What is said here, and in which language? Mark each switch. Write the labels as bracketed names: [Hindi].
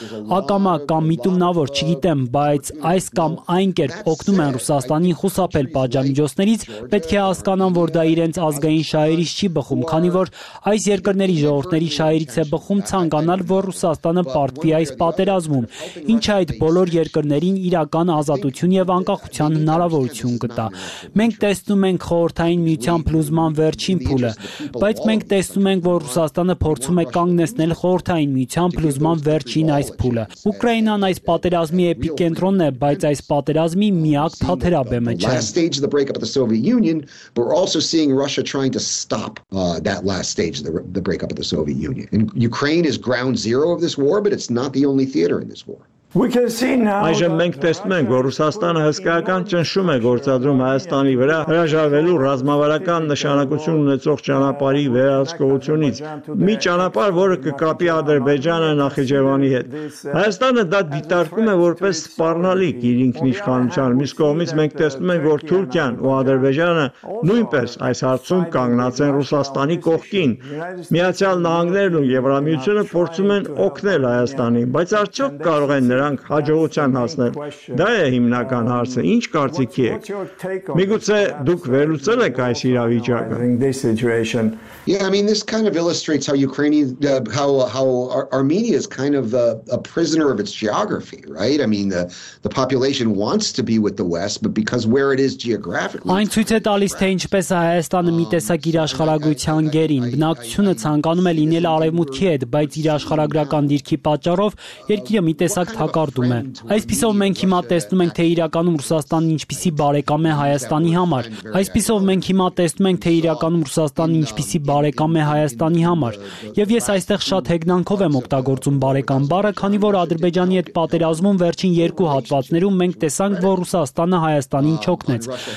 [Armenian] ակամա կամ միտումնավոր, չգիտեմ, բայց այս կամ այն կերպ օգնում են Ռուսաստանին խուսափել պատժամիջոցներից, պետք է հասկանան, որ դա իրենց ազգային շահերից չի բխում, քանի որ այս երկրների ժողովրդների շահերից է բխում ցանկանալ, որ Ռուսաստանը պարտվի այս պատերազմում, ինչը այդ բոլոր երկրներին իրական ազատություն եւ անկախության հնարավորություն կտա։ Մենք տեսնում ենք խորհրդային միության փլուզման վերջին փուլը, բայց մենք տեսնում ենք, որ Ռուսաստանը փորձում է կանգնեցնել խորհրդային միության փլուզման վերջին այս փուլը։ Ուկրաինան այս պատերազմի էպիկենտրոնն է, բայց այս պատերազմի միակ թաթերաբեմը չէ։ [English] Last stage of the breakup of the Soviet Union, but we're also seeing Russia trying to stop that last stage of the breakup of the Soviet Union. And Ukraine is ground zero of this war, but it's not the only theater in this war. [Armenian] Այժմ մենք տեսնում ենք, որ Ռուսաստանը հսկայական ճնշում է գործադրում Հայաստանի վրա հրաժարվելու ռազմավարական նշանակություն ունեցող ճանապարհի վերահսկողությունից, մի ճանապարհ, որը կկապի Ադրբեջանը Նախիջևանի հետ։ Հայաստանը դա դիտարկում է որպես սպառնալիք իր ինքնիշխանության, մյուս կողմից մենք տեսնում ենք, որ Թուրքիան ու Ադրբեջանը նույնպես այս հարցում կանգնած են Ռուսաստանի կողքին։ Միացյալ Նահանգներն ու Եվրամիությունը փորձում են օգնել Հայաստանին, բայց արդյոք կարող են նրանք հաջողության հասնել։ Դա է հիմնական հարցը։ Ինչ կարծիքի եք։ Միգուցե դուք վերլուծել եք այս իրավիճակը։ [English] Yeah, I mean, this kind of illustrates how Ukrainian, how Armenia is kind of a prisoner of its geography, right? I mean, the population wants to be with the West, but because where it is geographically. [Armenian] Այն ցույց է տալիս, թե ինչպես Հայաստանը մի տեսակ իր աշխարհագրության գերին, բնակչությունը ցանկանում է լինել արևմուտքի հետ, բայց իր աշխարհագրական դիրքի պատճառով երկիրը մի տեսակ թակարդում է։ Այսպիսով մենք հիմա տեսնում ենք, թե իրականում Ռուսաստանն ինչպիսի բարեկամ է Հայաստանի համար։ Այսպիսով մենք հիմա տեսնում ենք, թե իրականում Ռուսաստանն ինչպիսի բարեկամ է Հայաստանի համար։ Եվ ես այստեղ շատ հեգնանքով եմ օգտագործում բարեկամ բառը, քանի որ Ադրբեջանի հետ պատերազմում վերջին երկու հատվածներում մենք տեսանք, որ Ռուսաստանը Հայաստանին չօգնեց։